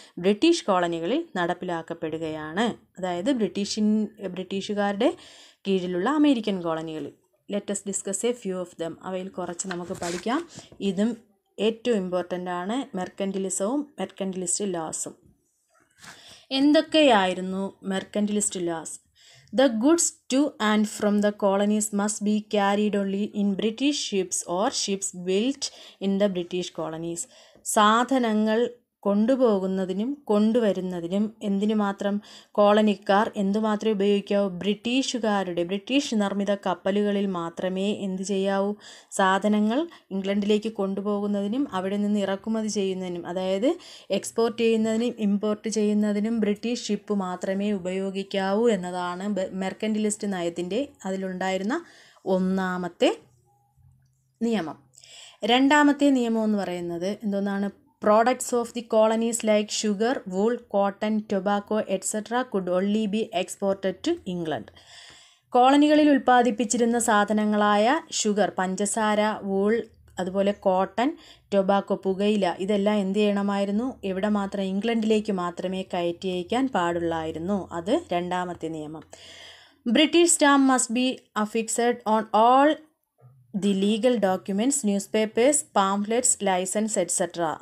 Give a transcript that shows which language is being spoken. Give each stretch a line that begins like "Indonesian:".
Malayalam: British കോളനികളിൽ നടപ്പിലാക്കപ്പെടുകയാണ്. അതായത് ബ്രിട്ടീഷുകാരുടെ കീഴിലുള്ള American കോളനികളിൽ.
English: Let us discuss a few of them.
Malayalam: അവയിൽ കുറച്ച് നമുക്ക് പഠിക്കാം. ഇതും ഏറ്റവും ഇമ്പോർട്ടൻ്റ് ആണ്, മെർക്കൻ്റലിസവും മെർക്കൻ്റലിസ്റ്റ് ലോസും. എന്തൊക്കെയായിരുന്നു മെർക്കൻ്റലിസ്റ്റ് loss?
English: The goods to and from the colonies must be carried only in British ships or ships built in the British colonies.
Malayalam: സാധനങ്ങൾ കൊണ്ടുപോകുന്നതിനും കൊണ്ടുവരുന്നതിനും എന്തിനു മാത്രം കോളനിക്കാർ എന്തുമാത്രമേ ഉപയോഗിക്കാവൂ? ബ്രിട്ടീഷുകാരുടെ ബ്രിട്ടീഷ് നിർമ്മിത കപ്പലുകളിൽ മാത്രമേ എന്ത് ചെയ്യാവൂ? സാധനങ്ങൾ ഇംഗ്ലണ്ടിലേക്ക് കൊണ്ടുപോകുന്നതിനും അവിടെ നിന്ന് ഇറക്കുമതി ചെയ്യുന്നതിനും, അതായത് എക്സ്പോർട്ട് ചെയ്യുന്നതിനും ഇമ്പോർട്ട് ചെയ്യുന്നതിനും ബ്രിട്ടീഷ് ഷിപ്പ് മാത്രമേ ഉപയോഗിക്കാവൂ എന്നതാണ് മെർക്കൻ്റലിസ്റ്റ് നയത്തിൻ്റെ അതിലുണ്ടായിരുന്ന ഒന്നാമത്തെ നിയമം. രണ്ടാമത്തെ നിയമം എന്ന് പറയുന്നത് എന്തോന്നാണ്?
English: Products of the colonies like sugar, wool, cotton, tobacco, etc. could only be exported to England.
Malayalam: കോളനികളിൽ ഉൽപ്പാദിപ്പിച്ചിരുന്ന സാധനങ്ങളായ sugar, പഞ്ചസാര, വൂൾ, അതുപോലെ കോട്ടൺ, ടൊബാക്കോ, പുകയില, ഇതെല്ലാം എന്ത് ചെയ്യണമായിരുന്നു? എവിടെ മാത്രം? ഇംഗ്ലണ്ടിലേക്ക് മാത്രമേ കയറ്റി അയക്കാൻ പാടുള്ളായിരുന്നു. അത് രണ്ടാമത്തെ നിയമം.
English: British stamp must be affixed on all the legal documents, newspapers, pamphlets, licence etcetera.